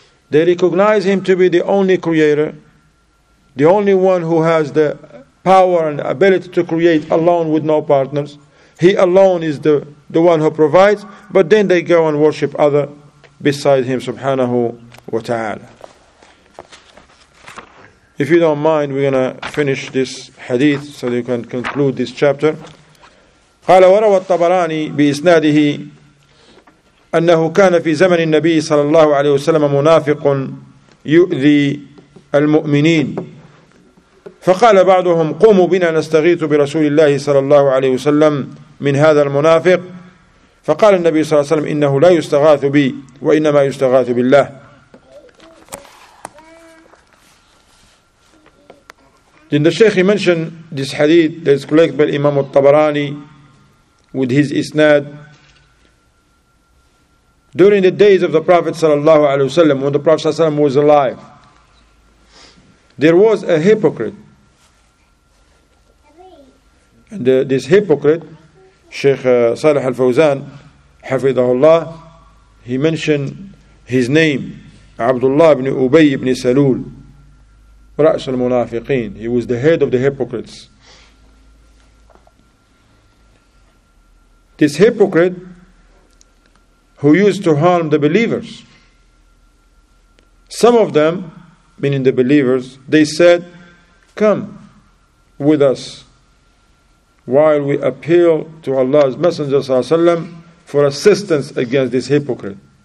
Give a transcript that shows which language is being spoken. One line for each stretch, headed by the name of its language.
English: They recognize Him to be the only creator, the only one who has the power and ability to create alone with no partners. He alone is the one who provides, but then they go and worship other beside Him, subhanahu wa ta'ala. If you don't mind, we're going to finish this hadith so you can conclude this chapter.
Arabic: قال وروى الطبراني بإسناده أنه كان في زمن النبي صلى الله عليه وسلم منافق يؤذي المؤمنين فقال بعضهم قوموا بنا نستغيث برسول الله صلى الله عليه وسلم من هذا المنافق فقال النبي صلى الله عليه وسلم إنه لا يستغاث بي وإنما يستغاث بالله.
English: Then the Shaykh mentioned this hadith that is collected by Imam al-Tabarani with his isnad during the days of the Prophet صلى الله عليه وسلم, when the Prophet صلى الله عليه وسلم was alive. There was a hypocrite. And this hypocrite, Shaykh Salih Al-Fawzan, Hafidhahullah, he mentioned his name.
Arabic: عبد الله بن أبي بن سلول رأس المنافقين.
English: He was the head of the hypocrites. This hypocrite who used to harm the believers. Some of them, meaning the believers, they said, come with us while we appeal to Allah's Messenger for assistance against this hypocrite.